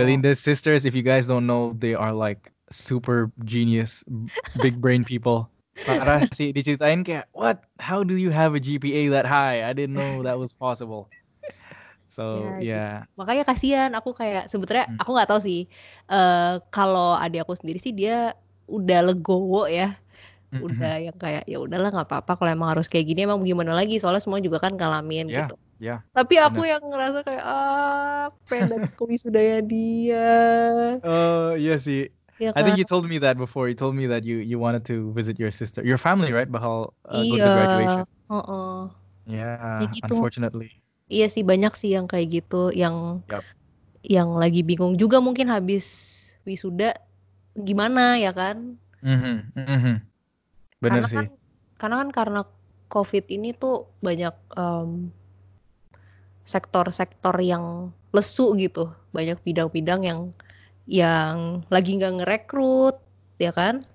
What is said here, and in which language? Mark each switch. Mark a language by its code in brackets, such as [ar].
[en] Belinda's sisters, if you guys don't know, they are like super genius, big brain people. [id] Parah sih, diceritain kayak, [en] what? How do you have a GPA that high? I didn't know that was possible. So, yeah. [id] Makanya kasihan, aku kayak sebetulnya aku nggak tahu sih. Kalau adik aku sendiri sih dia udah legowo ya, udah yang kayak ya udahlah nggak apa-apa. Kalau emang harus kayak gini, emang gimana lagi? Soalnya semua juga kan ngalamin gitu. [en] Yeah. [id] Tapi aku yang ngerasa kayak pendek kuis sudahnya dia. Iya sih. Ya kan? [en] I think you told me that before. You told me that you wanted to visit your sister, your family, right? [id] Bakal iya. [en] Go to graduation. [id] Iya. Gitu. [en] Unfortunately. [id] Iya sih, banyak sih yang kayak gitu, yang yang lagi bingung juga mungkin habis wisuda gimana ya kan? Bener karena sih. Karena COVID ini tuh banyak sektor-sektor yang lesu gitu, banyak bidang-bidang yang lagi nggak ngerekrut, ya kan?